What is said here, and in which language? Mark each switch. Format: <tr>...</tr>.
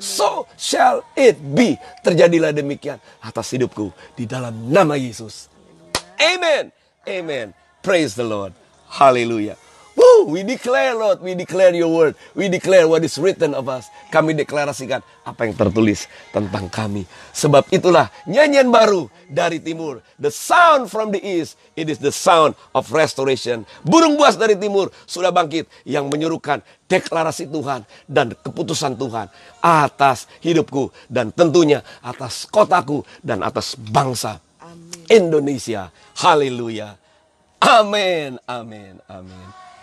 <en>So shall it be,</en> <id>terjadilah demikian atas hidupku di dalam nama Yesus.</id> <en>Amen, amen, praise the Lord. Hallelujah. Woo, we declare, Lord, we declare your word. We declare what is written of us.</en> <id>Kami deklarasikan apa yang tertulis tentang kami. Sebab itulah nyanyian baru dari timur.</id> <en>The sound from the east, it is the sound of restoration.</en> <id>Burung buas dari timur sudah bangkit yang menyuruhkan deklarasi Tuhan dan keputusan Tuhan atas hidupku dan tentunya atas kotaku dan atas bangsa Indonesia. Hallelujah. Amen, amen, amen.</id>